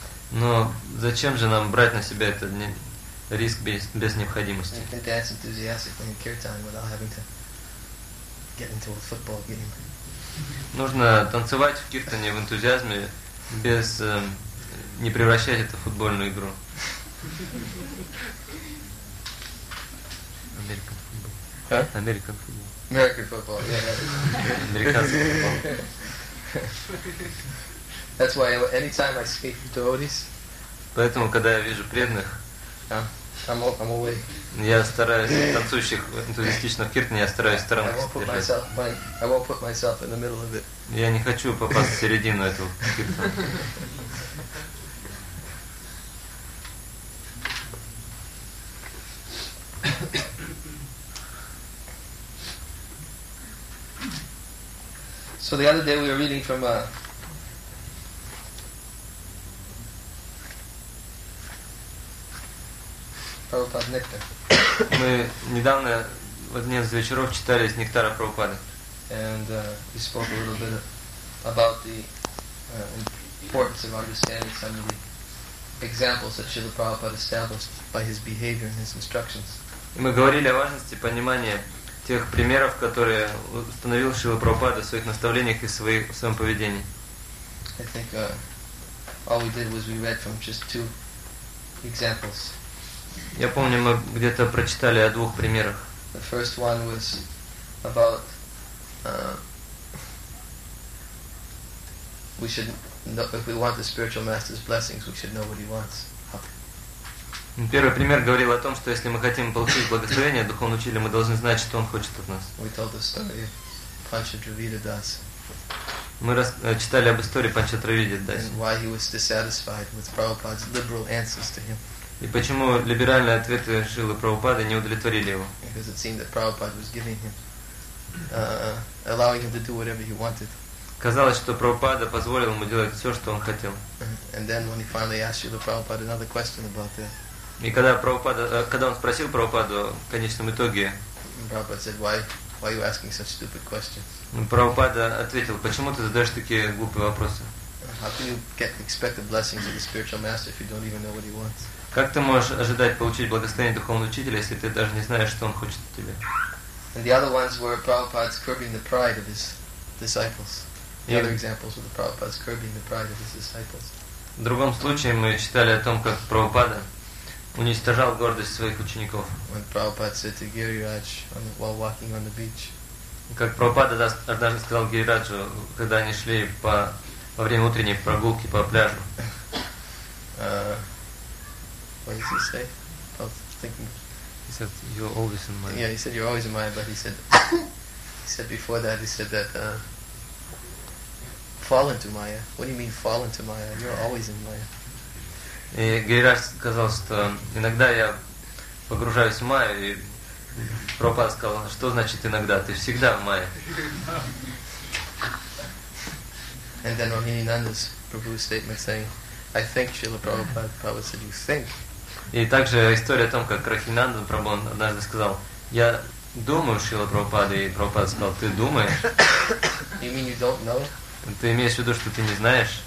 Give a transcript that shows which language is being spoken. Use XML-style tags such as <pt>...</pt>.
<ru>Но зачем же нам брать на себя этот риск без необходимости?</ru> <en>You can dance enthusiastically in kirtan without having to get into a football game.</en> <ru>Нужно танцевать в киртане в энтузиазме без не превращать это в футбольную игру.</ru> <en>American football. Huh? American football. American football. Yeah.</en> <ru>Американский футбол.</ru> <en>That's why anytime I speak to devotees.</en> <ru>Поэтому когда я вижу преданных,</ru> <en>I'm away.</en> <ru>Я стараюсь танцующих энтузиастично в киртане, я стараюсь в сторону держать.</ru> <en>I won't put myself in the middle of it.</en> <ru>Я не хочу попасть в середину этого киртана.</ru> <en>So the other day we were reading from Prabhupada Nectar.</en> <ru>Мы недавно в один из вечеров читали из Нектара Прабхупады.</ru> <en>And we spoke a little bit about the importance of understanding some of the examples that Srila Prabhupada established by his behavior and his instructions.</en> <ru>И мы говорили о важности понимания тех примеров, которые установил Шрила Прабхупада в своих наставлениях и в своем поведении.</ru> <en>I think all we did was we read from just two examples.</en> <ru>Я помню, мы где-то прочитали о двух примерах.</ru> <en>The first one was about we should know, if we want the spiritual master's blessings, we should know what he wants.</en> <ru>Первый пример говорил о том, что если мы хотим получить благословение духовного учителя, мы должны знать, что он хочет от нас.</ru> <en>We told the story of Pancha Dravida Das.</en> <ru>Мы читали об истории Панча Дравиды Даса.</ru> <en>And why he was dissatisfied with Prabhupada's liberal answers to him.</en> <ru>И почему либеральные ответы Шрилы Прабхупады не удовлетворили его?</ru> <en>Because it seemed that Prabhupada was giving him, allowing him to do whatever he wanted.</en> <ru>Казалось, что Прабхупада позволил ему делать все, что он хотел.</ru> <en>And then when he finally asked Shrila Prabhupada another question about that.</en> <ru>И когда Прабхупада, когда он спросил Прабхупаду в конечном итоге,</ru> <en>Prabhupada said, why are you asking such stupid questions?</en> <ru>Прабхупада ответил, почему ты задаешь такие глупые вопросы?</ru> <en>How can you expect the blessings of the spiritual master if you don't even know what he wants?</en> <ru>Как ты можешь ожидать получить благословение духовного учителя, если ты даже не знаешь, что он хочет от тебя?</ru> <en>And the other ones were Prabhupada's curbing the pride of his disciples. The other examples were Prabhupada's curbing the pride of his disciples.</en> <ru>В другом случае мы читали о том, как Прабхупада уничтожал гордость своих учеников.</ru> <en>When Prabhupada said to Giriraj while walking on the beach.</en> <ru>Как Прабхупада однажды сказал Гирираджу, когда они шли во время утренней прогулки по пляжу.</ru> <en>What did he say? I was thinking. He said, "You're always in mind." Yeah, he said, "You're always in mind," but he said, he said before that, he said that, fall into Maya. What do you mean, fall into Maya? You're always in Maya.</en> <ru>И Гирираж сказал, что иногда я погружаюсь в Майю, и Прабхупада сказал, что значит иногда, ты всегда в Майе.</ru> <en>And then Rohininanda's Prabhu's statement saying, I think Srila Prabhupada, Prabhupada said, you think.</en> <ru>И также история о том, как Рохинанда Прабху однажды сказал, я думаю, Шрила Прабхупада, и Прабхупада сказал, ты думаешь?</ru> <en>You mean you don't know?</en> <ru>Ты имеешь в виду, что ты не знаешь?</ru>